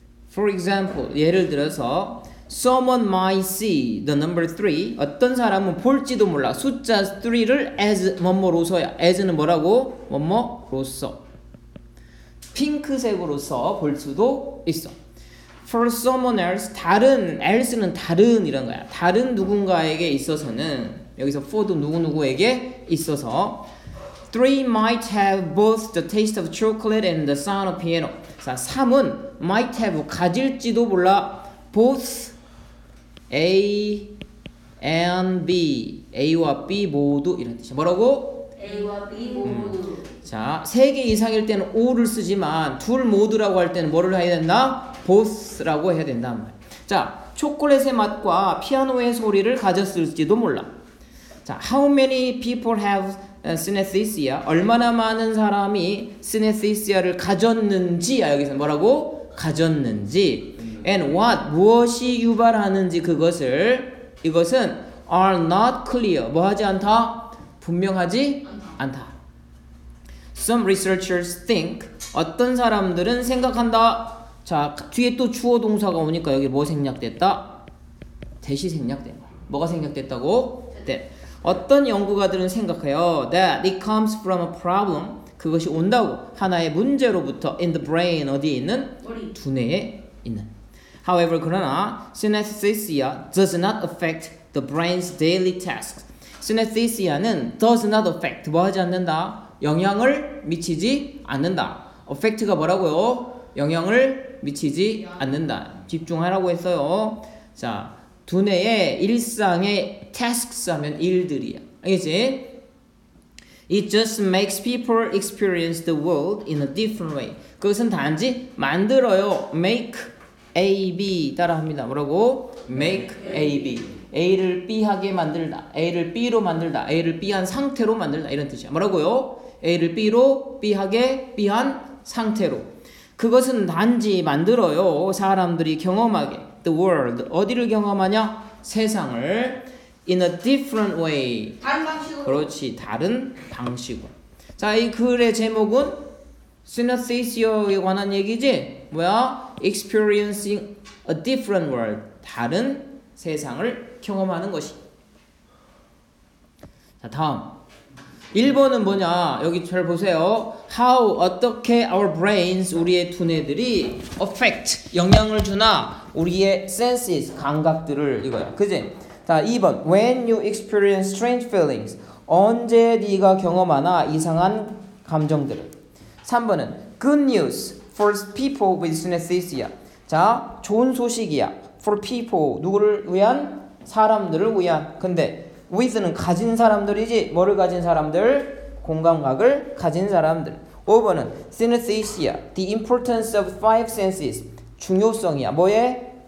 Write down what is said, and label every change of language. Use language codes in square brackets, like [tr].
[en] For example, [ko] 예를 들어서 [en] Someone might see the number 3. [ko] 어떤 사람은 볼지도 몰라. 숫자 3를 as 뭐뭐로서야. as는 뭐라고? 뭐뭐로서. 핑크색으로서 볼 수도 있어. [en] For someone else, [ko] 다른, else는 다른 이런 거야. 다른 누군가에게 있어서는, 여기서 for도 누구누구에게 있어서 [en] 3 might have both the taste of chocolate and the sound of piano. [ko] 자, 3은 [en] might have [ko] 가질지도 몰라. [en] both A and B. [ko] A와 B 모두 이런 뜻이야. 뭐라고? A와 B 모두. 자, 세 개 이상일 때는 O를 쓰지만 둘 모두라고 할 때는 뭐를 해야 된다? Both라고 해야 된다. 자, 초콜릿의 맛과 피아노의 소리를 가졌을지도 몰라. [en] 자, How many people have synesthesia? [ko] 얼마나 많은 사람이 synesthesia를 가졌는지. 여기서 뭐라고? 가졌는지. [en] And what, [ko] 무엇이 유발하는지 그것을, 이것은 [en] are not clear, [ko] 뭐하지 않다? 분명하지 않다. [en] Some researchers think, [ko] 어떤 사람들은 생각한다. 자, 뒤에 또 주어 동사가 오니까 여기 뭐 생략됐다? 대시 생략된 거. 뭐가 생략됐다고? That. 어떤 연구가들은 생각해요. [en] That it comes from a problem, [ko] 그것이 온다고. 하나의 문제로부터 [en] in the brain, [ko] 어디에 있는? 두뇌에 있는. [en] However, [ko] 그러나 [en] synesthesia does not affect the brain's daily tasks. [ko] Synesthesia는 [en] does not affect, [ko] 뭐 하지 않는다? 영향을 미치지 않는다. Affect가 뭐라고요? 영향을 미치지 않는다. 집중하라고 했어요. 자, 두뇌의 일상의 tasks 하면 일들이야. 알겠지? [en] It just makes people experience the world in a different way. [ko] 그것은 단지 만들어요. Make A, B 따라합니다. 뭐라고? Make A, B. A를 B하게 만들다. A를 B로 만들다. A를 B한 상태로 만들다. 이런 뜻이야. 뭐라고요? A를 B로 B하게 B한 상태로. 그것은 단지 만들어요. 사람들이 경험하게. [en] The world. [ko] 어디를 경험하냐? 세상을. [en] In a different way. [ko] 다른 방식으로. 그렇지. 다른 방식으로. 자, 이 글의 제목은 Synesthesia에 관한 얘기지? 뭐야? [en] Experiencing a different world. [ko] 다른 세상을 경험하는 것이. 자, 다음. 1번은 뭐냐? 여기 잘 보세요. How, 어떻게 [en] our brains, [ko] 우리의 두뇌들이 affect, 영향을 주나? 우리의 senses, 감각들을 이거야. 그지? 자, 2번. [en] When you experience strange feelings, [ko] 언제 네가 경험하나 이상한 감정들을. [en] 3번은 good news for people with synesthesia. [ko] 자, 좋은 소식이야. [en] For people, [ko] 누구를 위한? 사람들을 위한. 근데 with는 가진 사람들이지. 뭐를 가진 사람들? 공감각을 가진 사람들. [en] 5번은 synesthesia, the importance of five senses. [ko] 중요성이야. 뭐의?